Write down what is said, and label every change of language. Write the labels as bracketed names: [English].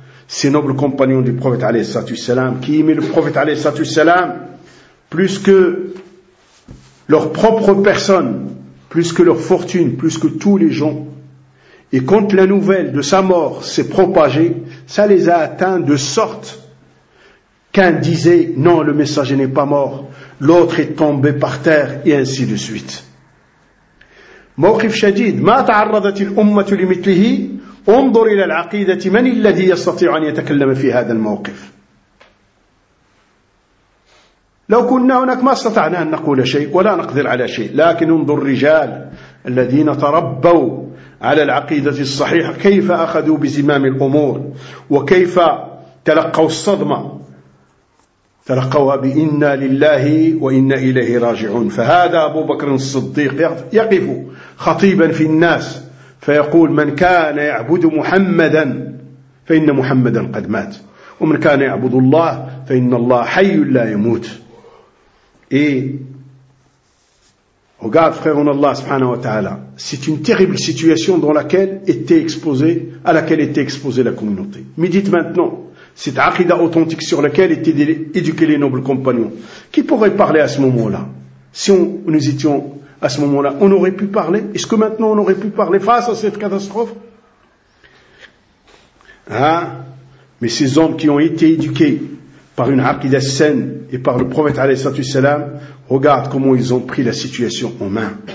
[French] Ces nobles compagnons du prophète alayhi salatu wassalam, qui aimaient le prophète alayhi salatu wassalam plus que leur propre personne, plus que leur fortune, plus que tous les gens. Et quand la nouvelle de sa mort s'est propagée, ça les a atteints de sorte qu'un disait: non, le messager n'est pas mort, l'autre est tombé par terre, et ainsi de suite. [Arabic] موقف شديد ما تعرضت الأمة لمثله انظر إلى العقيدة من الذي يستطيع أن يتكلم في هذا الموقف لو كنا هناك ما استطعنا أن نقول شيء ولا نقدر على شيء لكن انظر الرجال الذين تربوا على العقيدة الصحيحة كيف أخذوا بزمام الأمور وكيف تلقوا الصدمة تلقوها بإنا لله وإنا إليه راجعون فهذا أبو بكر الصديق يقف خطيبا في الناس فيقول: من كان يعبد محمدا فإن محمدا قد مات ومن كان يعبد الله فإن الله حي لا يموت إيه وقال فخيرون الله سبحانه وتعالى [French] c'est une terrible situation dans laquelle était exposée à laquelle était exposée la communauté. Médite maintenant cette aqida authentique sur laquelle étaient éduqués les nobles compagnons. Qui pourrait parler à ce moment-là? Si nous étions à ce moment-là, on aurait pu parler? Est-ce que maintenant on aurait pu parler face à cette catastrophe? Hein? Mais ces hommes qui ont été éduqués par une aqida saine et par le prophète alayhi salatu wassalam, regarde comment ils ont pris la situation en main.